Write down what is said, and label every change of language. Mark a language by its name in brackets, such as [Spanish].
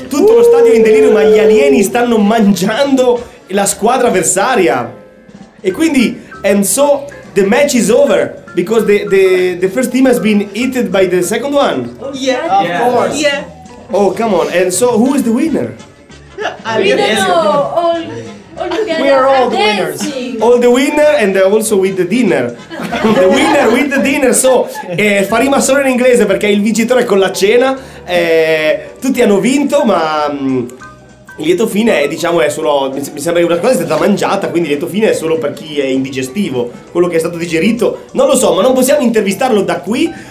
[Italian] Tutto lo stadio è in delirio, ma gli alieni stanno mangiando la squadra avversaria. E quindi, [English] and so the match is over because the first team has been eaten by the second one. Yeah, of course. Yeah. Oh, come on. And so who is the winner? We don't know. All together. We are all the winners. All the winner and also with the dinner. The winner with the dinner. [Italian] So, fa rima solo in inglese perché il vincitore con la cena. Tutti hanno vinto, ma il lieto fine è, diciamo, è solo. Mi sembra che una cosa è stata mangiata, quindi il lieto fine è solo per chi è indigestivo. Quello che è stato digerito, non lo so, ma non possiamo intervistarlo da qui.